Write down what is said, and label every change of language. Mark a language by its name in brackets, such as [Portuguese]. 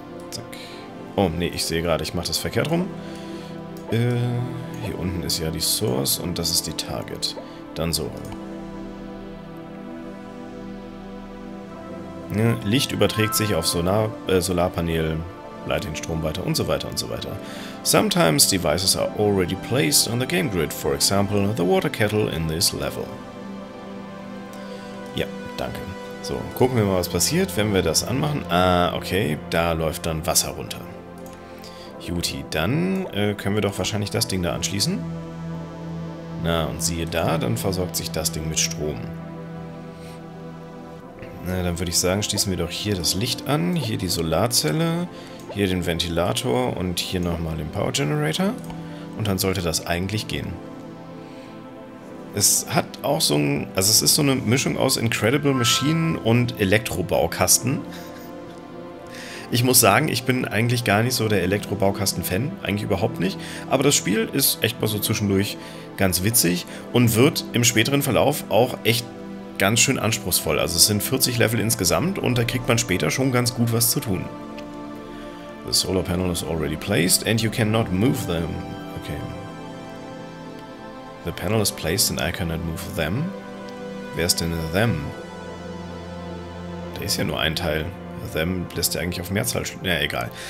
[German] Zack. Oh, nee, ich sehe gerade, ich mache das verkehrt rum. Hier unten ist ja die Source und das ist die Target. Dann so rum. Licht überträgt sich auf Solarpanel, leitet den Strom weiter und so weiter und so weiter. [English] Sometimes devices are already placed on the game grid, for example, the water kettle in this level. [German] Ja, danke. So, gucken wir mal, was passiert, wenn wir das anmachen. Ah, okay, da läuft dann Wasser runter. Juti, dann können wir doch wahrscheinlich das Ding da anschließen. Na, und siehe da, dann versorgt sich das Ding mit Strom. Na, dann würde ich sagen, schließen wir doch hier das Licht an, hier die Solarzelle, hier den Ventilator und hier nochmal den Power Generator. Und dann sollte das eigentlich gehen. Es hat auch so ein... Also es ist so eine Mischung aus Incredible Machine und Elektrobaukasten. Ich muss sagen, ich bin eigentlich gar nicht so der Elektrobaukasten-Fan. Eigentlich überhaupt nicht. Aber das Spiel ist echt mal so zwischendurch ganz witzig und wird im späteren Verlauf auch echt ganz schön anspruchsvoll. Also es sind 40 Level insgesamt und da kriegt man später schon ganz gut was zu tun. [English] The solar panel is already placed and you cannot move them. Okay. The panel is placed and I cannot move them. [German] Wer ist denn them? Da ist ja nur ein Teil. Them lässt ja eigentlich auf Mehrzahl schließen. Ja, egal.